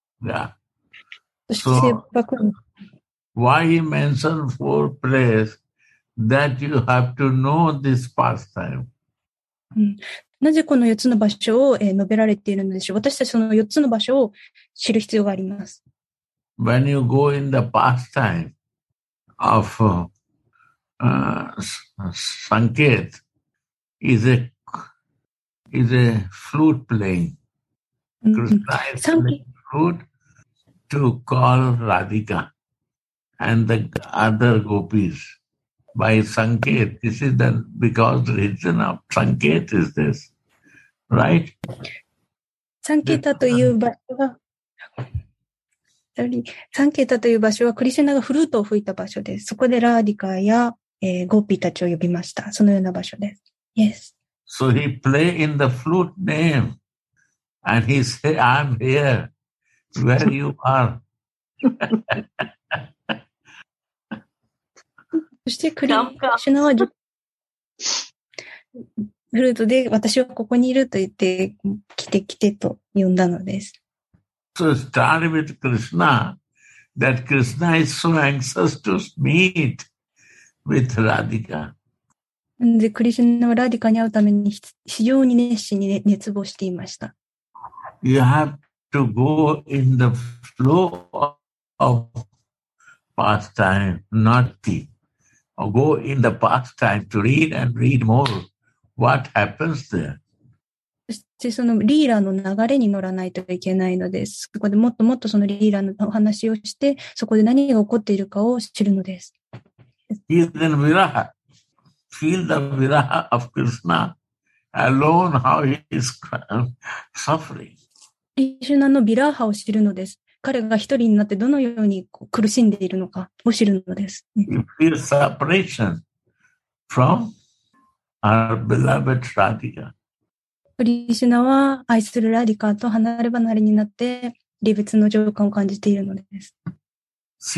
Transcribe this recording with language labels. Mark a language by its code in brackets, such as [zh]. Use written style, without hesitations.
[en] Yeah. So, why he mentioned four places? That you have to know this pastime. [ja] なぜこの4つの場所を述べられているのでしょう？私たちその4つの場所を知る必要があります。 [en] When you go in the pastime of... Sanket is a flute playing, crystalline flute to call Radhika and the other gopis by Sanket. This is the because region of Sanket is this, right? [ja] Sanketa という場所は、Sanketa という場所はクリシュナがフルートを吹いた場所です。そこでラーディカやゴーピーたちを呼びました。そのような場所です。Yes. [en] So he play in the flute name and he say, I'm here where you are. [ja] そしてクリシュナはフルートで私はここにいると言って来てと呼んだのです。 [en] So start with Krishna that Krishna is so anxious to meet. With Radhika. [ja] で、クリシュナはラディカに会うために非常に熱心に熱望していました。 [en] You have to go in the flow of pastime, not the. Go in the pastime to read and read more what happens there. [ja] でそのリーラーの流れに乗らないといけないのです。そこでもっともっとそのリーラーのお話をして、そこで何が起こっているかを知るのです。 [en] Feel the viraha. Feel the viraha of Krishna alone, how he is suffering. [ja] クリシュナのビラーハを知るのです。彼が一人になってどのようにこう苦しんでいるのかを知るのです。 [en] You feel separation from our beloved Radhika. [ja] クリシュナは愛するラディカと離れ離れになって離別の情感を感じているのです。